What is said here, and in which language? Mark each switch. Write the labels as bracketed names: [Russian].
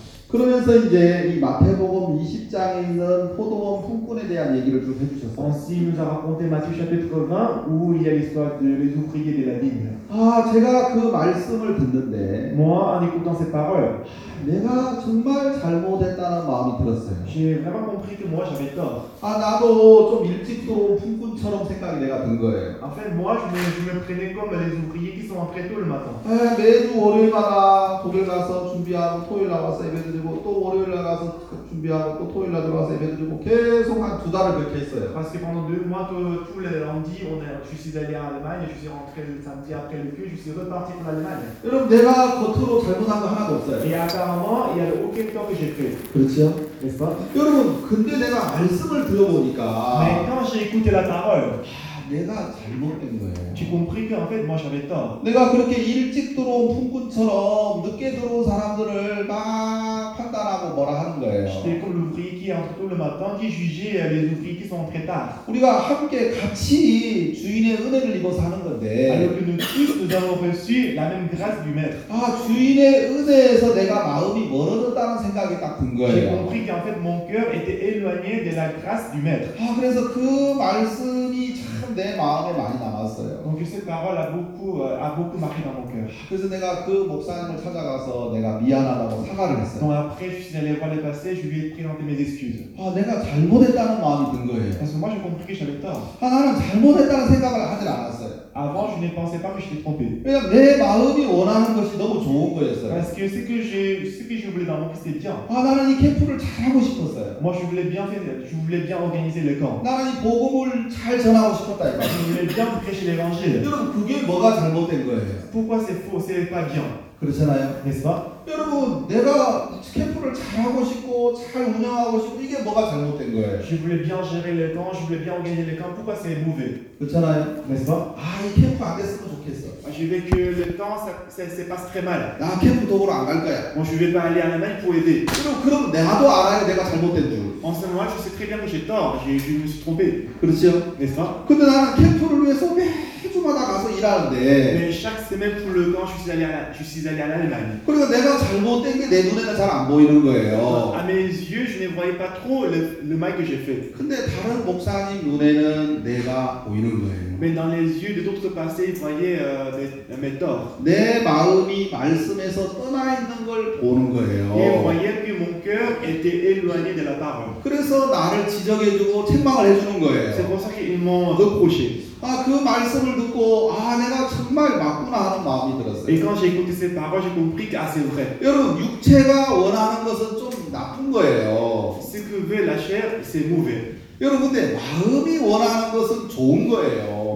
[Korean] 그러면서 이제 이 마태복음 20장에 있는 포도원 품꾼에 대한 얘기를 좀 해주셨어요. [French] Ainsi nous a raconté Matthieu chapitre 20 où il y a l'histoire de les ouvriers de la vigne. [Korean] 아, 제가 그 말씀을 듣는데 [French] Moi, en écoutant ces paroles, [Korean] 내가 정말 잘못했다는 마음이 들었어요. [French] J'ai vraiment compris que moi j'avais tort. [Korean] 아, 나도 좀 일찍 들어온 품꾼처럼 생각이 내가 든 거예요. [French] En fait, moi je me prenais comme les ouvriers qui sont entrés tôt le matin. [Korean] 아, 매주 월요일마다 고개 가서 준비하고 토요일 나왔어요. 그리고 또 월요일 나가서 준비하고 또 토요일 나가서 예배를 드리고 계속 한 두 달을 그렇게 했어요. [French] Parce que pendant deux mois tous les lundis on est je suis allé en Allemagne je suis rentré le samedi après le culte je suis reparti pour l'Allemagne. [Korean] 그럼 내가 겉으로 잘못한 거 하나도 없어요. [French] Et apparemment il y a aucun tort que j'ai fait. [Korean] 그렇죠? [French] N'est-ce pas? [Korean] 여러분 근데 내가 말씀을 들어보니까 [French] Mais quand j'ai écouté la parole [Korean] 내가 잘못된 거예요. [French] Tu comprends que en fait moi j'avais tort. [Korean] 내가 그렇게 일찍 들어온 품꾼처럼 늦게 들어온 사람들을 막 판단하고 뭐라 하는 거예요. [French] J'étais comme l'ouvrier qui entre tôt le matin qui jugeait les ouvriers qui sont très tard. [Korean] 우리가 함께 같이 주인의 은혜를 입어 사는 건데. [French] Alors que nous tous nous avons reçu la même grâce du maître. [Korean] 아, 주인의 은혜에서 내가 마음이 멀어졌다는 생각이 딱 든 거예요. [French] J'ai compris que en fait mon cœur était éloigné de la grâce du maître. [Korean] 아, 그래서 그 말씀이 참 내 마음에 많이 남았어요. [French] Donc cette parole a beaucoup marqué dans mon cœur. [Korean] 그래서 내가 그 목사님을 찾아가서 내가 미안하다고 사과를 했어요. [French] Donc après je suis allé voir le passé, je lui ai présenté mes excuses. [Korean] 아, 내가 잘못했다는 마음이 든 거예요. [French] Parce que moi j'ai compris que j'avais tort. [Korean] 아, 나는 잘못했다는 생각을 하질 않았어요. [French] Avant, je ne pensais pas que j'étais trompé. [Korean] 내 마음이 원하는 것이 너무 좋은 거였어요. [French] Parce que ce que j'ai voulu dans mon cœur, c'était bien. [Korean] 아, 나는 이 캠프를 잘하고 싶었어요. [French] Moi, je voulais bien faire, je voulais bien organiser le camp. [Korean] 나는 이 복음을 잘 전하고 싶었다 이거. [French] Je voulais bien prêcher l'évangile. [Korean] 여러분, 그게 뭐가 잘못된 거예요? [French] Pourquoi c'est faux, c'est pas bien? [Korean] 그렇잖아요. [French] N'est-ce pas? [Korean] 여러분, 내가 캠프를 잘하고 싶고 잘 운영하고 싶고 이게 뭐가 잘못된 거예요? [French] Je voulais bien gérer le temps, je voulais bien organiser le camp. Pourquoi c'est mauvais? [Korean] 그렇잖아요. [French] N'est-ce pas? [Korean] 아, 이 캠프 안 됐으면 좋겠어. [French] Je veux que le temps, ça se passe très mal. [Korean] 나 캠프 도우러 안 갈 거야. [French] Moi, je vais pas aller à la main pour aider. [Korean] 그럼 나도 알아요, 내가 잘못된 줄. [French] En ce moment, je sais très bien que j'ai tort. Je me suis trompé. [Korean] 그렇죠. [French] N'est-ce pas? [Korean] 근데 나는 캠프를 위해서 매주마다 가서 일하는데. [French] Mais chaque semaine pour le camp, je suis allé à l'Allemagne. [Korean] 그리고 내가 잘못된 게 내 눈에는 잘 안 보이는 거예요. [French] À mes yeux, je ne voyais pas trop le mal que j'ai fait. [Korean] 근데 다른 목사님 눈에는 내가 보이는 거예요. [French] Mais dans les yeux de d'autres passés, ils voyaient mes torts. [Korean] 내 마음이 말씀에서 떠나 있는 걸 보는 거예요. [French] Ils voyaient que mon cœur était éloigné de la parole. [Korean] 그래서 나를 지적해주고 책망을 해주는 거예요. [French] C'est pour ça qu'ils m'ont reproché. [Korean] 아, 그 말씀을 듣고 아, 내가 정말 맞구나 하는 마음이 들었어요. [French] Et quand j'ai écouté ces paroles, j'ai compris que c'est vrai. [Korean] 여러분, 육체가 원하는 것은 좀 나쁜 거예요. [French] Ce que veut la chair, c'est mauvais. [Korean] 여러분, 근데 마음이 원하는 것은 좋은 거예요.